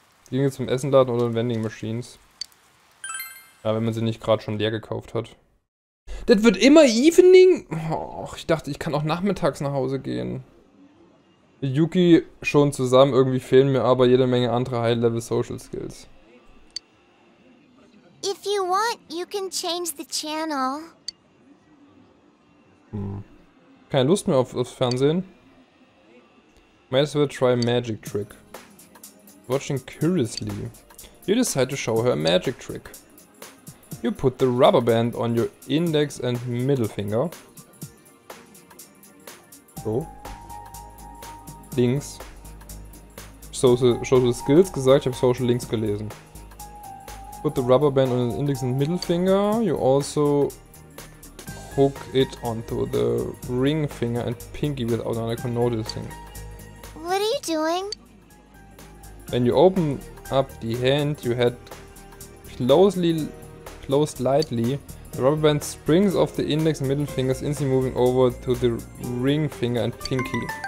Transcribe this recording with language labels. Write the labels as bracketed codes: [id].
[de] Ging jetzt zum Essenladen oder Vending Machines. Ja, wenn man sie nicht gerade schon leer gekauft hat. Das wird immer Evening? Och, ich dachte, ich kann auch nachmittags nach Hause gehen. Mit Yuki schon zusammen, irgendwie fehlen mir aber jede Menge andere High-Level Social Skills. [en] If you want, you can change the channel. [de] Keine Lust mehr aufs Fernsehen. [en] Might as well try a magic trick. Watching curiously, you decide to show her a magic trick. You put the rubber band on your index and middle finger. [de] So. Links. Social skills gesagt, ich habe Social Links gelesen. [en] Put the rubber band on your index and middle finger. You also hook it onto the ring finger and pinky without Anako noticing. What are you doing? When you open up the hand, you had closed lightly, the rubber band springs off the index and middle fingers, instantly moving over to the ring finger and pinky.